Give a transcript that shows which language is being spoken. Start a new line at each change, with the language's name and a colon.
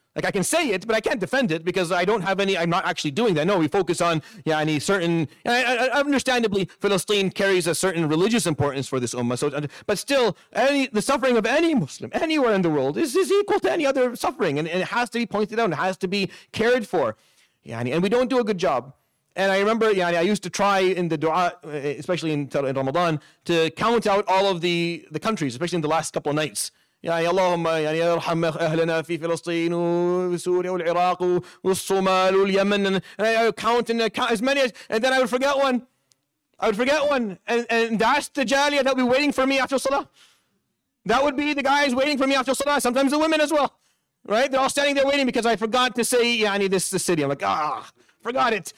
English: Like, I can say it, but I can't defend it because I don't have any, I'm not actually doing that. No, we focus on, any certain, understandably, Palestine carries a certain religious importance for this ummah. So, but still, the suffering of any Muslim anywhere in the world is equal to any other suffering. And it has to be pointed out and it has to be cared for. And we don't do a good job. And I remember, I used to try in the dua, especially in Ramadan, to count out all of the countries, especially in the last couple of nights.
Arabic: يعني اللهم يعني ارحم اهلنا في فلسطين وسوريا والعراق والصومال واليمن.
English: And I would count as many as, and then I would forget one. I would forget one. And that's the jaliya that would be waiting for me after salah. That would be the guys waiting for me after salah, sometimes the women as well. Right? They're all standing there waiting because I forgot to say, this is the city. I'm like, forgot it.